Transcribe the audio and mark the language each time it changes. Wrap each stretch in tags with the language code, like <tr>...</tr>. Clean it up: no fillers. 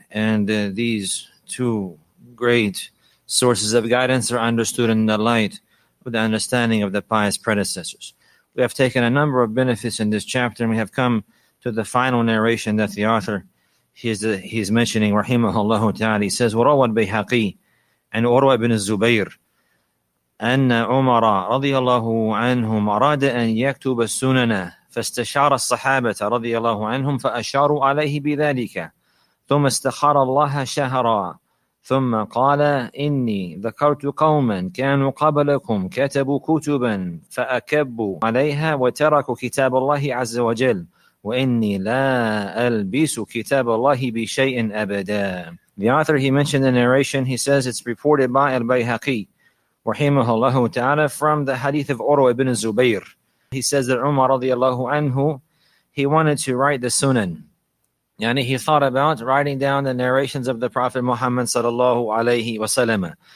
<en>And these two great sources of guidance are understood in the light with the understanding of the pious predecessors. We have taken a number of benefits in this chapter, and we have come to the final narration that the author he is mentioning, rahimahullah ta'ala. He says,</en> <ar>وَرَوَى الْبَيْحَقِي and Urwa ibn al-Zubayr أَنَّ عُمَرَى رَضِيَ اللَّهُ عَنْهُمْ أَرَادَ أَنْ يَكْتُبَ السُّنَنَا فاستشار الصحابة رضي الله عنهم فأشاروا عليه بذلك ثم استخار الله شهرا ثم قال إني ذكرت قوما كانوا قبلكم كتبوا كتبا فأكبوا عليها وتركوا كتاب الله عز وجل وإني لا ألبس كتاب الله بشيء أبدا.</ar> <en>The author he mentioned the narration, he says it's reported by Al-Bayhaqi</en> <ar>رحمه الله تعالى</ar> <en>from the hadith of Urwa ibn Zubayr. He says that Umar radiallahu anhu, he wanted to write the Sunan. Yani he thought about writing down the narrations of the Prophet Muhammad sallallahu alayhi wa sallam.</en>